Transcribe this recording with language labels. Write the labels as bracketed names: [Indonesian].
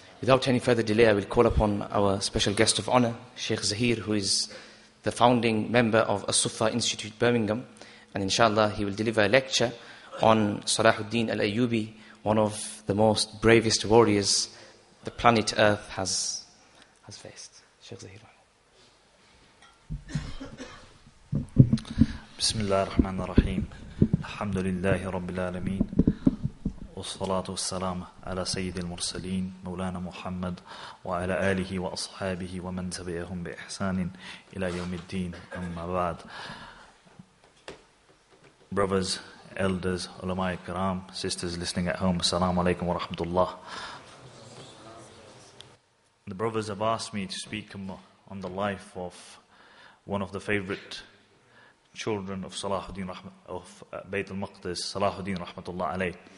[English] Without any further delay, I will call upon our special guest of honor, Sheikh Zahir, who is the founding member of As-Suffa Institute, Birmingham. And inshallah, he will deliver a lecture on Salahuddin al-Ayyubi, one of the most bravest warriors the planet Earth has faced. Sheikh Zahir. [Arabic] بسم الله الرحمن الرحيم الحمد لله رب العالمين والصلاة والسلام على سيد المرسلين مولانا محمد وعلى آله وأصحابه ومن تبعهم بإحسان إلى يوم الدين أما بعد. [English] Brothers, elders, [Arabic] علماء الكرام, [English] sisters listening at home, [Arabic] السلام عليكم ورحمة الله. [English] The brothers have asked me to speak on the life of one of the favorite children of Salahuddin of Bayt al-Maqdis, Salahuddin rahmatullah alayh.